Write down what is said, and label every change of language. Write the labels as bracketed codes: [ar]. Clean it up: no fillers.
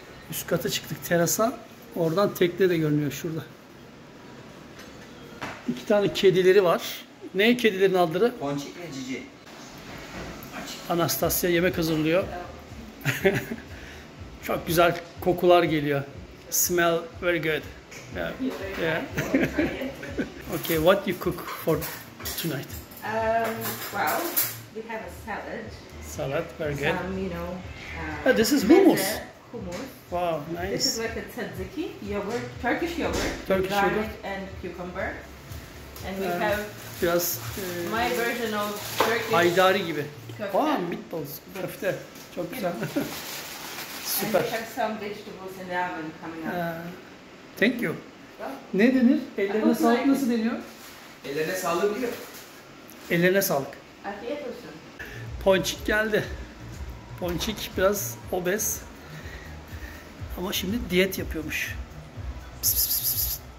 [tr] Üst kata çıktık terasa. Oradan tekne de görünüyor şurada. İki tane kedileri var. Ne kedilerin adları? Ponçik ve Cici. Anastasya yemek hazırlıyor. Çok güzel kokular geliyor. [en] Smell very good. Yeah. Yeah. Okay, what you cook for tonight? Well, we have a salad. Salad, very good. Some, This is hummus. Hummus. Wow, nice. This is like a tzatziki, yogurt, Turkish yogurt. Turkish garlic yogurt. And cucumber. And we have [tr] biraz, [en] my version of Turkish. [tr] Haydari gibi. Köfte. [en] Wow, meatballs. [tr] Köfte. Çok güzel. Süper. [en] And we have some vegetables in the oven coming up. Thank you. Well, [tr] ne denir? Ellerine sağlık nasıl deniyor? Ellerine sağlık diyor. Ellerine sağlık. Afiyet olsun. Ponçik geldi. Ponçik biraz obez. Ama şimdi diyet yapıyormuş. Pıs pıs pıs pıs.